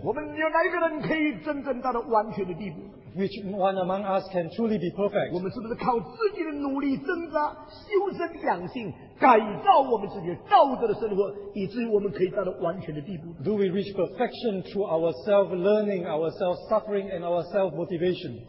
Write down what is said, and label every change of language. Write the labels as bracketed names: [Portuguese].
[Chinese] 我们有哪一个人可以真正到达完全的地步? [English] Which one among us can truly be perfect? [Chinese] 我们是不是靠自己的努力增加修身养性改造我们自己道德的生活以至于我们可以到达完全的地步? [English] Do we reach perfection through our self-learning, our self-suffering, and our self-motivation?